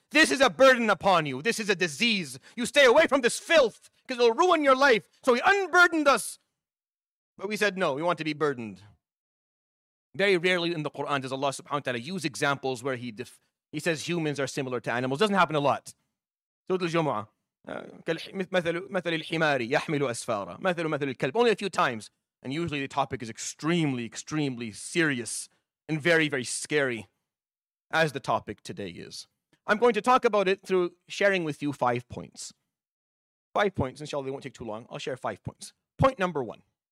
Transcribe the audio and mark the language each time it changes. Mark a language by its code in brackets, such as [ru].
[en] This is a burden upon you. This is a disease. You stay away from this filth because it'll ruin your life. So he unburdened us. But we said, no, we want to be burdened. Very rarely in the Quran does Allah subhanahu wa ta'ala use examples where he says humans are similar to animals. Doesn't happen a lot. Surah al-Jumu'ah. [ar] مثل الحمار يحمل أسفارا مثل الكلب. [en] Only a few times. And usually the topic is extremely, extremely serious and very, very scary, as the topic today is. I'm going to talk about it through sharing with you 5 points. 5 points, inshallah, they won't take too long. I'll share 5 points. Point number one.